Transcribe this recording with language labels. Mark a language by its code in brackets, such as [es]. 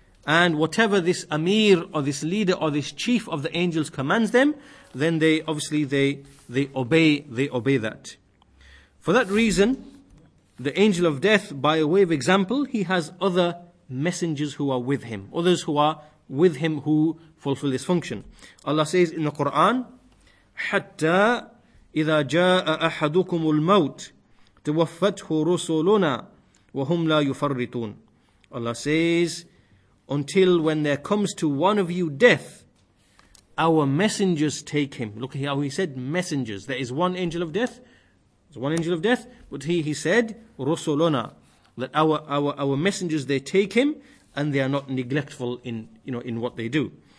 [en] And whatever this Amir or this leader or this chief of the angels commands them, then they obey that. For that reason, the angel of death, by way of example, he has other messengers who are with him, others who are with him who fulfill this function. Allah says in the Quran, [ar] Hatta إِذَا جَاءَ أَحَدُكُمُ الْمَوْتِ تَوَفَّتْهُ رُسُولُنَا وَهُمْ لَا يُفَرِّطُونَ. [en] Allah says, until when there comes to one of you death, our messengers take him. Look how he said messengers. There is one angel of death. There's one angel of death. But he said, رُسُولُنَا, that our messengers, they take him, and they are not neglectful in what they do.